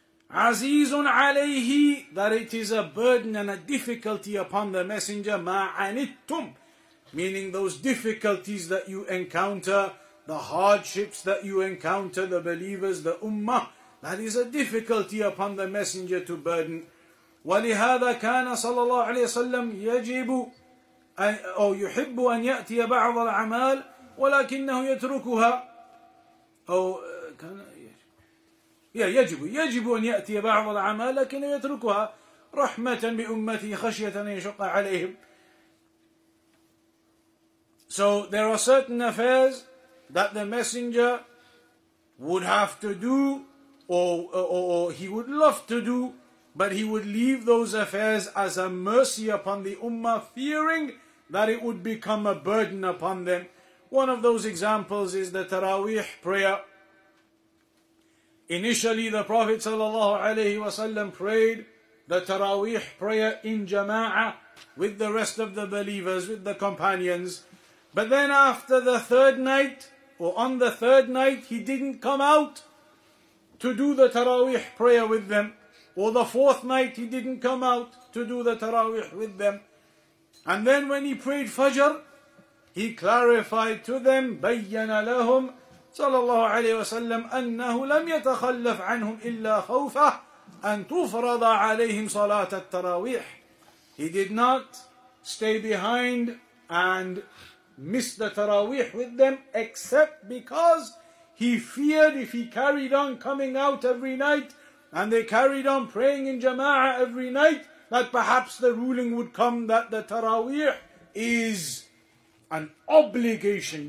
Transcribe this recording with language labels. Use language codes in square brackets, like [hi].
[ar] Azizun alayhi, [en] that it is a burden and a difficulty upon the messenger, [ar] ma'anittum, [en] meaning those difficulties that you encounter, the hardships that you encounter, the believers, the ummah, that is a difficulty upon the messenger to burden. [ar] وَلِهَذَا كَانَ صَلَى اللَّهُ عَلَيْهِ وَسَلَّمْ يَجِبُ أَوْ يُحِبُّ أَنْ يَأْتِيَ بَعْضَ الْعَمَالِ وَلَكِنَّهُ يَتْرُكُهَا أو كان يجب أن يأتي بعض الأعمال لكن يتركها رحمة بأمتي خشية أن يشق عليهم. [en] So there are certain affairs that the messenger would have to do, or he would love to do, but he would leave those affairs as a mercy upon the ummah, fearing that it would become a burden upon them. One of those examples is the Taraweeh prayer. Initially, the Prophet ﷺ prayed the Taraweeh prayer in jama'ah with the rest of the believers, with the companions. But then after the third night, or on the third night, he didn't come out to do the Taraweeh prayer with them. Or the fourth night, he didn't come out to do the Taraweeh with them. And then when he prayed Fajr, he clarified to them, [ar] بَيَّنَ لَهُمْ صلى الله عليه وسلم أنه لم يتخلف عنهم إلا خوفا أن تفرض عليهم صلاة التراويح. [en] He did not stay behind and miss the Taraweeh with them except because he feared if he carried on coming out every night and they carried on praying in jama'ah every night, that perhaps the ruling would come that the Taraweeh is an obligation.